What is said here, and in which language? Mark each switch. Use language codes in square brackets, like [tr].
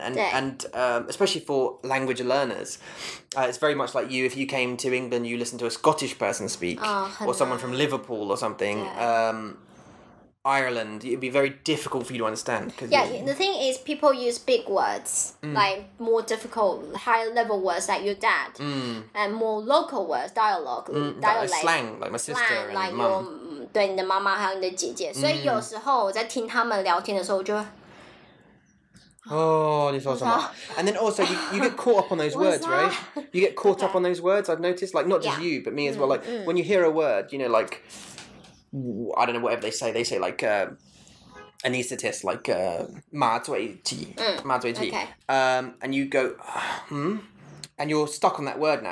[en] And especially for language learners, it's very much like you. If you came to England, you listen to a Scottish person speak, or someone from Liverpool or something. Ireland, it'd be very difficult for you to understand. The thing is, people use big words, like more difficult, higher level words like your dad, and more local words, dialect. Like slang, like my sister like and mum. [zh] 对你的妈妈还有你的姐姐.所以有时候我在听他们聊天的时候，我就，哦，你说什么？ [en] And then also, you get caught up on those words, right? You get caught up on those words, I've noticed. Like, not just you, but me as well. Like, when you hear a word, you know, like, I don't know, whatever they say. They say, like, anaesthetist, like, 麻醉剂. And you go, and you're stuck on that word now.